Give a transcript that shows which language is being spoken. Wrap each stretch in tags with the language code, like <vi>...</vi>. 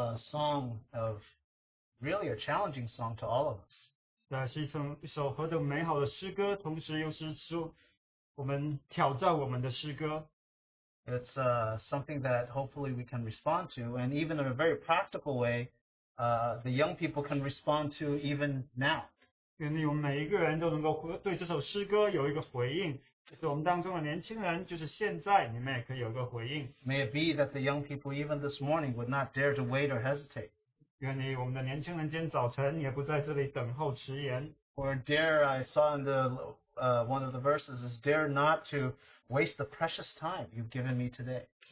<en>song of really a challenging song to all of us.</en> <zh>是一首何等美好的诗歌，同时又是说我们挑战我们的诗歌。</zh> <en>It's something that hopefully we can respond to, and even in a very practical way, the young people can respond to even now.</en> <zh>愿意我们每一个人都能够对这首诗歌有一个回应，就是我们当中的年轻人，就是现在你们也可以有一个回应。</zh> <en>May it be that the young people even this morning would not dare to wait or hesitate.</en> <zh>愿意我们的年轻人今天早晨也不在这里等候迟延。</zh> <en>Or dare, I saw in the one of the verses, is dare not to waste the precious time you've given me today.</en>